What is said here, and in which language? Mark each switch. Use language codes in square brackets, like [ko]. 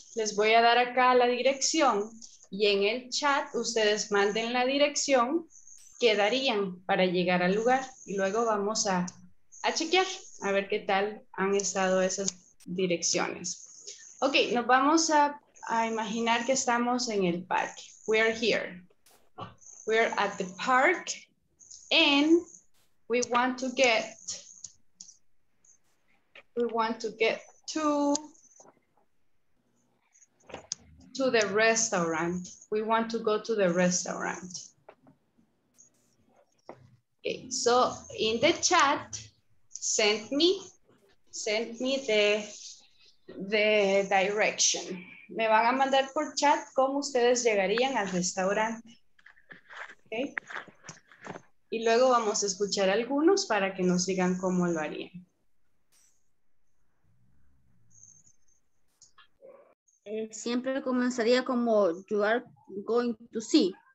[es] Les voy a dar acá la dirección y en el chat ustedes manden la dirección que darían para llegar al lugar. Y luego vamos a chequear, a ver qué tal han estado esas direcciones. Ok, nos vamos a imaginar que estamos en el parque. [en] We are here. We are at the park and we want to get to the restaurant. We want to go to the restaurant. Okay, so in the chat, send me the direction. [es] Me van a mandar por chat cómo ustedes llegarían al restaurante. ¿Okay? Y luego vamos a escuchar algunos para que nos digan cómo lo harían. Siempre comenzaría como [en] you are going to see.